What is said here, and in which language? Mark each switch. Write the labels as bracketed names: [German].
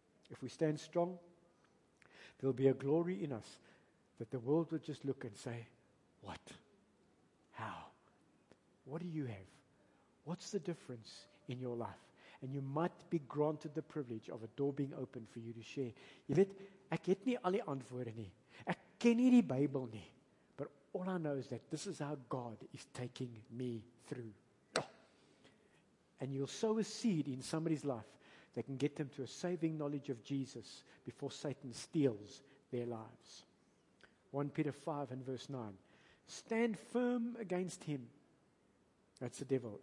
[English] If we stand strong, there'll be a glory in us that the world will just look and say, what? How? What do you have? What's the difference in your life? and you might be granted the privilege of a door being opened for you to share. [Afrikaans] Jy weet, ek het nie al die antwoorde nie. Ek ken nie die Bybel nie. [English] But all I know is that this is how God is taking me through. And you'll sow a seed in somebody's life that can get them to a saving knowledge of Jesus before Satan steals their lives. 1 Peter 5 and verse 9. Stand firm against him. That's the devil.